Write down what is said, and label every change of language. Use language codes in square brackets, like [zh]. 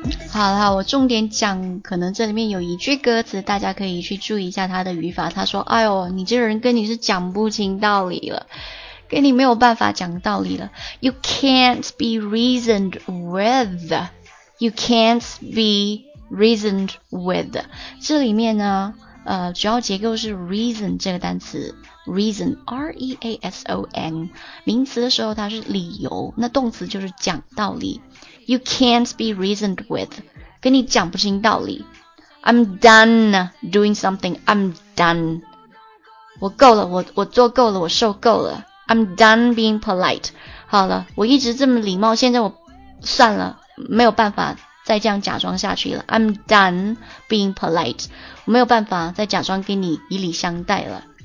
[zh] 好了好，我重点讲，可能这里面有一句歌词，大家可以去注意一下他的语法。他说：“哎呦，你这个人跟你是讲不清道理了，跟你没有办法讲道理了。 [en] You can't be reasoned with. You can't be reasoned with. [zh] 这里面呢，主要结构是 reason 这个单词。” Reason, R-E-A-S-O-N, 名词的时候它是理由，那动词就是讲道理。 [en] You can't be reasoned with, [zh] 跟你讲不清道理。 [en] I'm done doing something, I'm done. [zh] 我够了，我做够了，我受够了。 [en] I'm done being polite. [zh] 好了，我一直这么礼貌，现在我算了，没有办法再这样假装下去了。 [en] I'm done being polite. [zh] 我没有办法再假装跟你以礼相待了。